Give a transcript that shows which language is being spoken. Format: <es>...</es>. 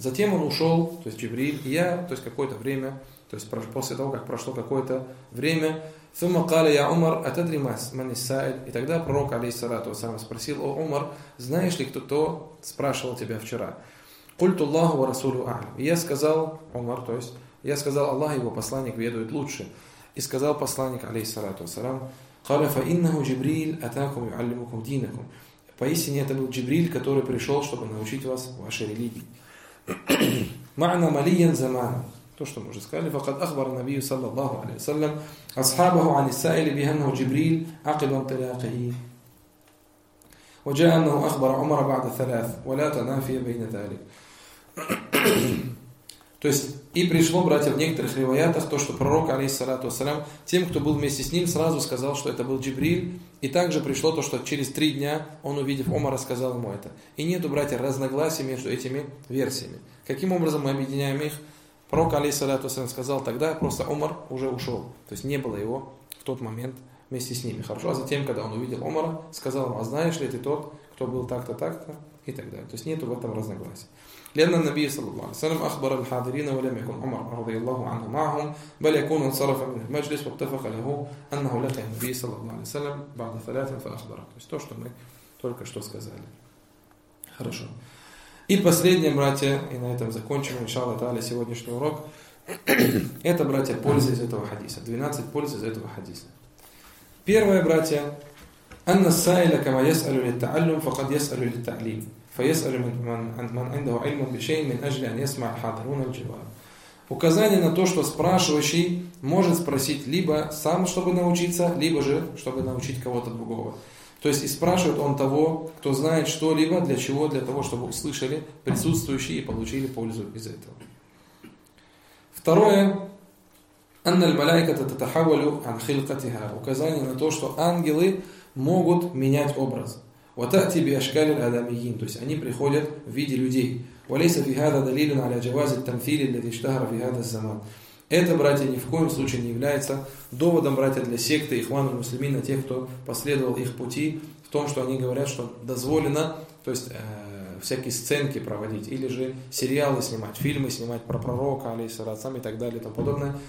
<ru>Затем он ушел, то есть Джибриль, и я, то есть какое-то время, то есть после того, как прошло какое-то время,</ru> <ar>ثم قال يا عمر أتدري من السائل؟</ar> <ru>И тогда пророк</ru> <ar>عليه الصلاة والسلام</ar> <ru>спросил: «О Умар, знаешь ли кто то спрашивал тебя вчера?»</ru> <ar>قلت الله ورسوله أعلم.</ar> <ru>И я сказал: «Умар, то есть я сказал: Аллах и его посланник ведают лучше». И сказал посланник</ru> <ar>عليه الصلاة والسلام: قال فإنه جبريل أتاكم يعلمكم دينكم.</ar> <ru>Поистине это был Джибриль, который пришел, чтобы научить вас вашей религии.</ru> <ar>معنى مليا زمان.</ar> <ru>То, что мы уже сказали,</ru> <ar>فقد أخبر النبي صلى الله عليه وسلم أصحابه عن السائل بأنه جبريل عقب انطلاقه وجاء أنه أخبر عمر بعد ثلاث ولا تنافي بين ذلك.</ar> <ru>То есть и пришло, братья, в некоторых ривоятах то, что пророк, алейхиссалату вассалям, тем, кто был вместе с ним, сразу сказал, что это был Джибриль. И также пришло то, что через три дня он, увидев Умара, сказал ему это. И нету, братья, разногласий между этими версиями. Каким образом мы объединяем их? Пророк, алейхиссалату вассалям, сказал тогда, просто Умар уже ушел. То есть не было его в тот момент вместе с ними. Хорошо, а затем, когда он увидел Умара, сказал ему: «А знаешь ли ты тот, кто был так-то, так-то?» и так далее. То есть нету в этом разногласий.</ru> <ar>لأن النبي صلى الله عليه وسلم أخبر الحاضرين ولم يكن عمر رضي الله عنه معهم بل يكون انصرف من المجلس واتفق له أنه لقي النبي صلى الله عليه وسلم بعد ثلاثة فأخبره.</ar> <ru>То есть то, что мы только что сказали. Хорошо. И последнее, братья, и на этом закончим, иншаллах тааля, сегодняшний урок. Это, братья, пользы из этого хадиса. 12 пользы из этого хадиса. Первое, братья,</ru> <ar>أن السائل كما يسأل للتعلم فقد يسأل للتعليم. فيسأل من عنده علم بشيء من أجل أن يسمع الحاضرون الجواب.</ar> <ru>Указание на то, что спрашивающий может спросить либо сам, чтобы научиться, либо же, чтобы научить кого-то другого. То есть и спрашивает он того, кто знает что-либо, для чего, для того, чтобы услышали присутствующие и получили пользу из этого. Второе.</ru> <ar>أن الملائكة تتحول عن خلقتها.</ar> <ru>Указание на то, что ангелы могут менять образ.</ru> <ar>وتأتي بأشكال الآدميين،</ar> <ru>то есть они приходят в виде людей.</ru> <ar>وليس في هذا دليل على جواز التمثيل الذي اشتهر في هذا الزمان.</ar> <ru>Это, братья, ни в коем случае не является доводом, братья, для секты Ихвана Муслимина, тех, кто последовал их пути, в том, что они говорят, что дозволено, то есть всякие сценки проводить или же сериалы снимать, фильмы снимать про пророка, алейхи салям, и так далее и тому подобное.</ru>